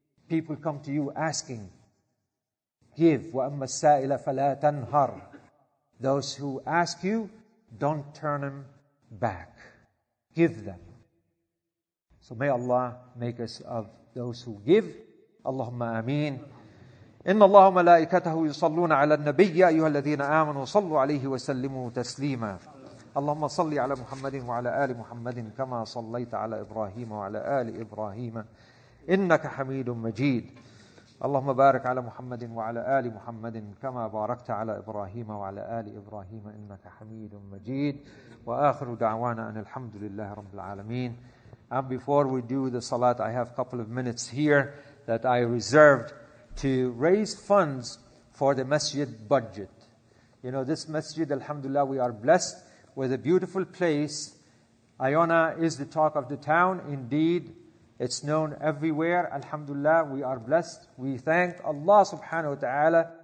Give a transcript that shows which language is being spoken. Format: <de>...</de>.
<en>People come to you asking, give.</en> <ar>وَأَمَّا السَّائِلَ فَلَا تَنْهَرْ</ar> <en>Those who ask you, don't turn them back. Give them. So may Allah make us of those who give.</en> <ar>اللهم آمين. إن الله ملائكته يصلون على النبي أيها الذين آمنوا صلوا عليه وسلموا تسليما. اللهم صل على محمد وعلى آل محمد كما صليت على إبراهيم وعلى آل إبراهيم إنك حميد مجيد. اللهم بارك على محمد وعلى آل محمد كما باركت على إبراهيم وعلى آل إبراهيم إنك حميد مجيد. وآخر دعوانا أن الحمد لله رب العالمين.</ar> <en>And before we do the salat, I have a couple of minutes here that I reserved to raise funds for the masjid budget. You know, this masjid, alhamdulillah, we are blessed with a beautiful place. Iona is the talk of the town. Indeed, it's known everywhere. Alhamdulillah, we are blessed. We thank Allah subhanahu wa ta'ala</en>